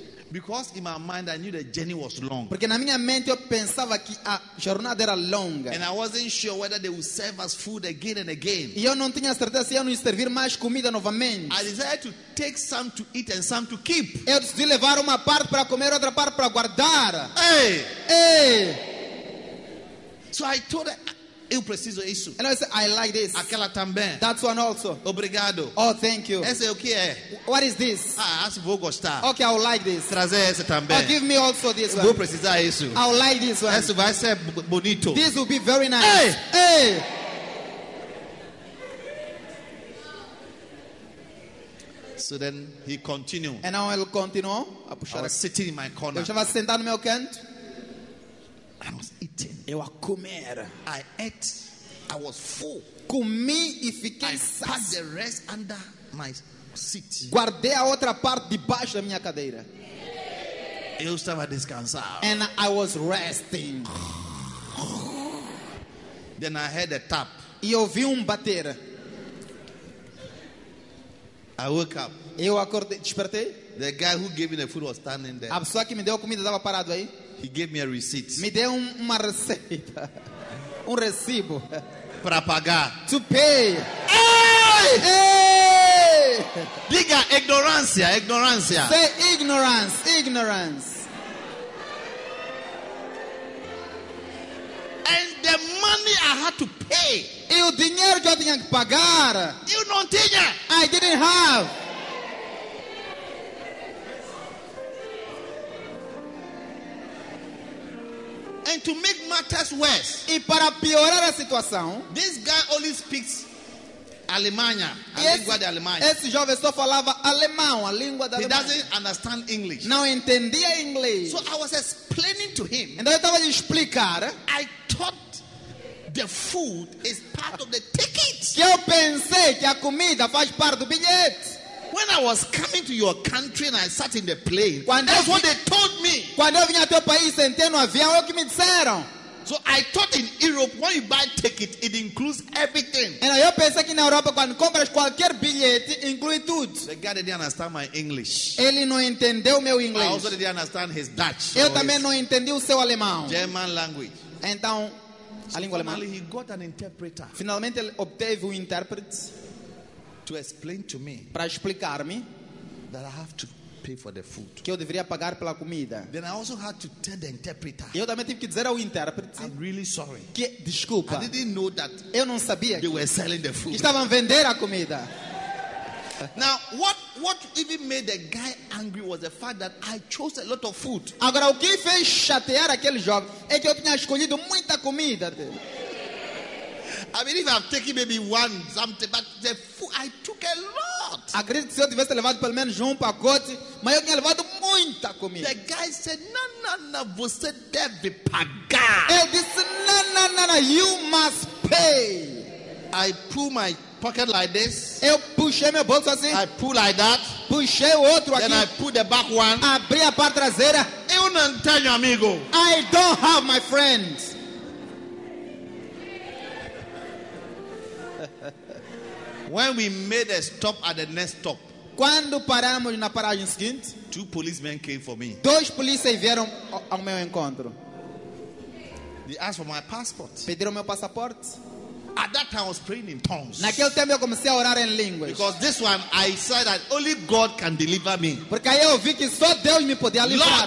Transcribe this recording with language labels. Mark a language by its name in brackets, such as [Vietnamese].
[English] Because in my mind I knew the journey was long. [Portuguese] Porque na minha mente eu pensava que a jornada era longa. [English] And I wasn't sure whether they would serve us food again and again. [Portuguese] E eu não tinha certeza se iam nos servir mais comida novamente. [English] I decided to take some to eat and some to keep. [Portuguese] Eu decidi levar uma parte para comer, outra parte para guardar. Hey. Hey. [English] So I told her, [Portuguese] Eu preciso isso. [English] And I said, I like this. [Portuguese] Aquela também. [English] That one also. [Portuguese] Obrigado. [English] Oh, thank you. [Portuguese] Esse é o que é? [English] What is this? [Portuguese] Ah, acho vou gostar. [English] Okay, I'll like this. [Portuguese] Trazer esse também. [English] Oh, give me also this one. [Portuguese] Vou precisar isso. [English] I'll like this one. [Portuguese] Esse vai ser bonito. [English] This will be very nice. Hey, hey. So then he continued. And now I'll continue. I was sitting in my corner. [Portuguese] Eu estava sentado no meu canto. [English] I was eating. [Portuguese] Eu a comer. [English] I ate. I was full. [Portuguese] Comi e fiquei sacio. [English] I put the rest under my seat. [Portuguese] Guardei a outra parte debaixo da minha cadeira. Eu estava descansado. [English] And I was resting. Then I heard a tap. [Portuguese] E ouvi bater. [English] I woke up. [Portuguese] Eu acordei, despertei. [English] The guy who gave me the food was standing there. [Portuguese] A pessoa que me deu a comida estava parado aí. [English] He gave me a receipt. [Portuguese] Me deu uma receita. recibo. Para pagar. [English] To pay. Ei! Ei! [Portuguese] Diga ignorância, ignorância. [English] Say ignorance, ignorance. And the money I had to pay. [Portuguese] E o dinheiro que eu tinha que pagar. Eu não tinha. [English] I didn't have. And to make matters worse. [Portuguese] E para piorar a situação. [English] This guy only speaks [Portuguese] Alemanha, a língua de Alemanha. Esse jovem só falava alemão, a língua da Alemanha. [English] He doesn't understand English. [Portuguese] Não entendia inglês. [English] So I was explaining to him. [Portuguese] Então eu estava lhe explicar. [English] I thought the food is part of the ticket. [Portuguese] Que eu pensei que a comida faz parte do bilhete. [English] When I was coming to your country and I sat in the plane, that's what they told me. [Portuguese] Quando eu vim ao teu país, sentei no avião, é o que me disseram. [English] So I thought in Europe, when you buy ticket, it includes everything. [Portuguese] E eu pensei que na Europa, quando compras qualquer bilhete, inclui tudo. [English] The guy didn't understand my English. [Portuguese] Ele não entendeu meu inglês. [English] I also didn't understand his Dutch. [Portuguese] Eu também não entendi o seu alemão. [English] German language. [Portuguese] Então, a língua alemã. [English] Finally, he got an interpreter. [Portuguese] Finalmente, ele obteve intérprete. [English] To explain to me, [Portuguese] para explicar-me, [English] that I have to pay for the food. [Portuguese] Que eu deveria pagar pela comida. [English] Then I also had to tell the interpreter. [Portuguese] Eu também tive que dizer ao intérprete. [English] I'm really sorry. [Portuguese] Que desculpa. [English] I didn't know that. [Portuguese] Eu não sabia. [English] They were selling the food. [Portuguese] Que estavam vender a comida. [English] Now, what even made the guy angry was the fact that I chose a lot of food. [Portuguese] Agora o que fez chatear aquele jovem é que eu tinha escolhido muita comida. [English] I mean, if I've taken maybe one something, but the food, I took a lot. [Portuguese] Acredito que se eu tivesse levado pelo menos pacote, mas eu tinha levado muita comida. [English] The guy said, no, [Portuguese] você deve pagar. Ele disse, no, [English] you must pay. I pull my pocket like this. [Portuguese] Eu puxei meu bolso assim. [English] I pull like that. [Portuguese] Puxei o outro [English] then [Portuguese] aqui. [English] Then I pull the back one. [Portuguese] Abri a parte traseira. Eu não tenho amigo. [English] I don't have my friends. When we made a stop at the next stop, [Portuguese] quando paramos na paragem seguinte, [English] two policemen came for me. [Portuguese] Dois policiais vieram ao meu encontro. [English] They asked for my passport. [Portuguese] Pediram meu passaporte. [English] At that time, I was praying in tongues. [Portuguese] Naquele tempo eu comecei a orar em línguas. [English] Because this one, I said that only God can deliver me. [Portuguese] Porque aí eu vi que só Deus me podia livrar.